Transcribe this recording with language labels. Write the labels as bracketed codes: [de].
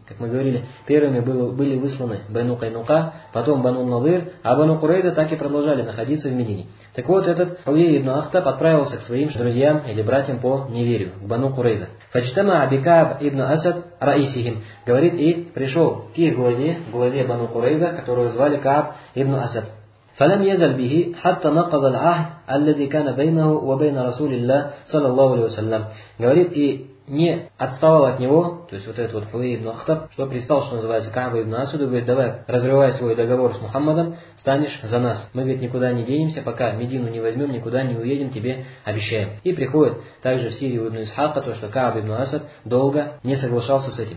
[ru] Как мы говорили, первыми были высланы Бану Кайнука, потом Бану Надыр, а Бану Курайда так и продолжали находиться в Медине. Так вот, этот Хуей ибн Ахтаб отправился к своим друзьям или братьям по неверию, к Бану Курайда. [ar] Фачтама Абикааб ибн Асад Раисихим. [ru] Говорит, и пришел к их главе Бану Курайда, которого звали Кааб ибн Асад. [ar] فلم يزل به حتى نقض العهد الذي كان بينه وبين رسول الله صلى الله عليه وسلم. [ru] Говорит, и не отставал от него, то есть вот этот вот Хуей ибн Ахтаб, что пристал, что называется, Кааба ибн Асаду, говорит, давай, разрывай свой договор с Мухаммадом, станешь за нас. Мы, говорит, никуда не денемся, пока Медину не возьмем, никуда не уедем, тебе обещаем. И приходит также в Сирию ибн Исхака, то, что Кааба ибн Асад долго не соглашался с этим.